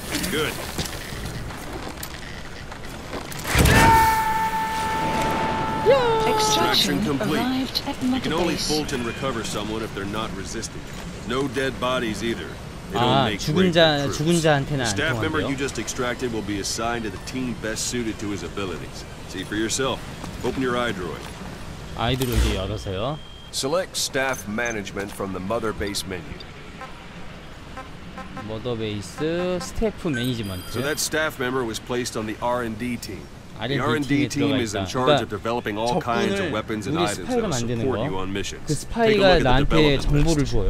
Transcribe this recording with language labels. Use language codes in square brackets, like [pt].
[en] Good. 그 only Fulton recover someone if they're not resisting. No dead bodies either. [ko] 아, 죽은 자한테는 안 통한대요. [en] Staff member you just extracted will be assigned to the team best suited to his abilities. See for yourself. Open your iDroid. [ko] 아이드로이드 열어서요. [en] Select staff management from the mother base menu. [ko] 모더 베이스 스태프 매니지먼트. [en] So that staff member was placed on the R&D team. The R&D team is in charge of developing all kinds of weapons and items that support you on missions. [ko] 그 스파이가 나한테 정보를 줘요.